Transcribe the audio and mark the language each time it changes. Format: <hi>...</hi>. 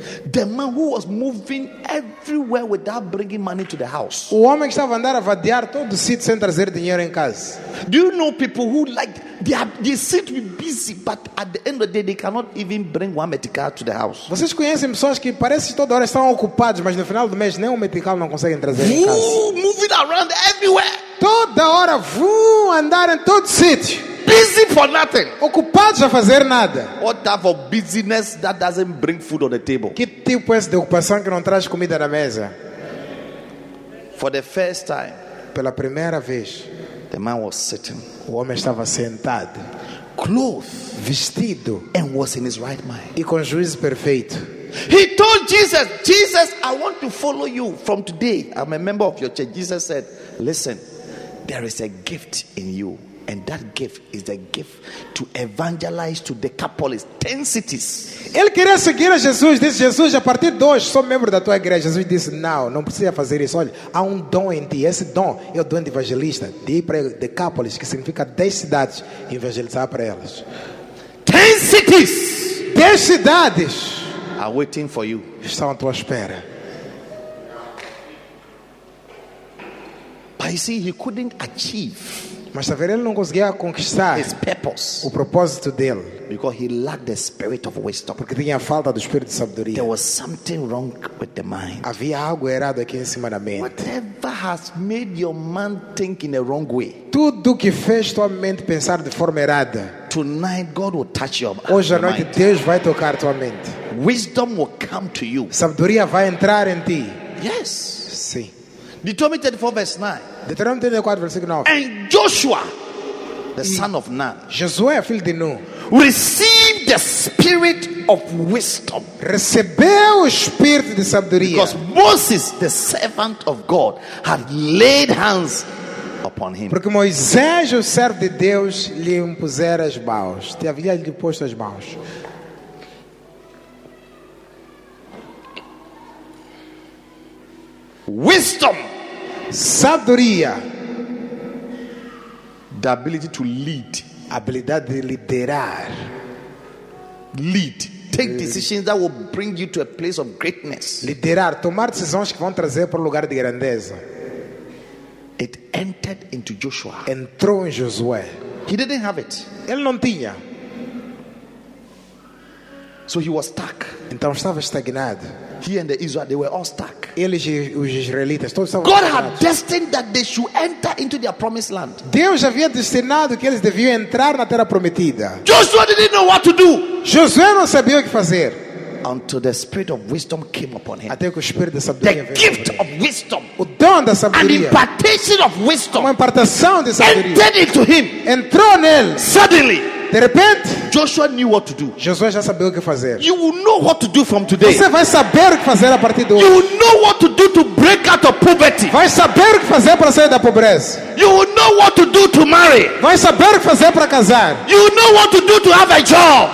<en>The man who was moving everywhere without bringing money to the house.</en> <pt>O homem que estava a andar a vadear todo o sítio sem trazer dinheiro em casa.</pt> <en>Do you know people who like they seem to be busy, but at the end of the day they cannot even bring one medical to the house.</en> <pt>Vocês conhecem pessoas que parece que toda hora estão ocupados, mas no final do mês nem um medical não conseguem trazer vroom, em casa.</pt> <en>Moving around everywhere.</en> <pt>Toda hora vroom, andar em todo o sítio.</pt> <en>Busy for nothing.</en> <pt>Ocupados a fazer nada.</pt> <en>What type of busyness that doesn't bring food on the table?</en> <pt>Que tipo é de ocupação que não traz comida na mesa?</pt> <en>For the first time,</en> <pt>pela primeira vez,</pt> <en>the man was sitting.</en> <pt>O homem estava sentado.</pt> <en>Clothed,</en> <pt>vestido,</pt> <en>and was in his right mind.</en> <pt>E com juízo perfeito.</pt> <en>He told Jesus, "Jesus, I want to follow you from today. I'm a member of your church." Jesus said, "Listen, there is a gift in you." And that gift is a gift to evangelize to Decapolis, 10 cities.</en> <pt>Ele queria seguir a Jesus. Disse, Jesus, a partir de hoje, sou membro da tua igreja. Jesus disse, não, não precisa fazer isso. Olha, há um dom em ti. Esse dom é o dom de evangelista. De ir para Decapolis, que significa 10 cidades, evangelizar para elas.</pt> <en>10 cities.</en> <pt>10 cidades.</pt> <en>Are waiting for you.</en> <pt>Estão à tua espera.</pt> <en>But you see, he couldn't achieve.</en> <pt>Mas a ver, ele não conseguia conquistar</pt> <en>his purpose,</en> <pt>o propósito dele,</pt> <en>because he lacked the spirit of wisdom.</en> <pt>Porque tinha falta do espírito de sabedoria.</pt> <en>There was something wrong with the mind.</en> <pt>Havia algo errado aqui em cima da mente.</pt> <en>Whatever has made your mind think in a wrong way.</en> <pt>Tudo que fez tua mente pensar de forma errada.</pt> <en>Tonight God will touch your mind.</en> <pt>Hoje à noite Deus vai tocar tua mente.</pt> <en>Wisdom will come to you.</en> <pt>Sabedoria vai entrar em ti.</pt> <en>Yes.</en> <pt>Sim.</pt> <en>Deuteronomy 34 verse 9. Deuteronomy 34 verse 9. And Joshua, the son of Nun,</en> <pt>Josué, filho de Nun,</pt> <en>received the spirit of wisdom.</en> <pt>Recebeu o espírito de sabedoria.</pt> <en>Because Moses, the servant of God, had laid hands upon him.</en> <pt>Porque Moisés, o servo de Deus, lhe impusera as mãos. Te havia lhe posto as mãos.</pt> <en>Wisdom,</en> <pt>sabedoria,</pt> <en>the ability to lead,</en> <pt>habilidade de liderar,</pt> <en>lead, take decisions that will bring you to a place of greatness,</en> <pt>liderar, tomar decisões que vão trazer para um lugar de grandeza.</pt> <en>It entered into Joshua,</en> <pt>entrou em Josué.</pt> <en>He didn't have it,</en> <pt>ele não tinha,</pt> <en>so he was stuck,</en> <pt>então estava estagnado.</pt> <en>He and the Israel, they were all stuck.</en> <pt>Eles e os israelitas todos estavam.</pt> <en>God had destined that they should enter into their promised land.</en> <pt>Deus havia destinado que eles deviam entrar na terra prometida.</pt> <en>Joshua didn't know what to do.</en> <pt>Josué não sabia o que fazer.</pt> <en>Until the spirit of wisdom came upon him.</en> <pt>Até que o espírito de sabedoria veio.</pt> <en>The gift of wisdom.</en> <pt>O dom da sabedoria.</pt> <en>An impartation of wisdom.</en> <pt>Uma impartação de sabedoria.</pt> <en>Entered into him.</en> <pt>Entrou nele.</pt> <en>Suddenly.</en> <pt>De repente,</pt> <en>Joshua knew what to do.</en> <pt>Josué já sabia o que fazer.</pt> <en>You will know what to do from today.</en> <pt>Você vai saber o que fazer a partir de hoje.</pt> <en>You will know what to do to break out of poverty.</en> <pt>Vai saber o que fazer para sair da pobreza.</pt> <en>You will know what to do to marry.</en> <pt>Vai saber o que fazer para casar.</pt> <en>You will know what to do to have a job.</en>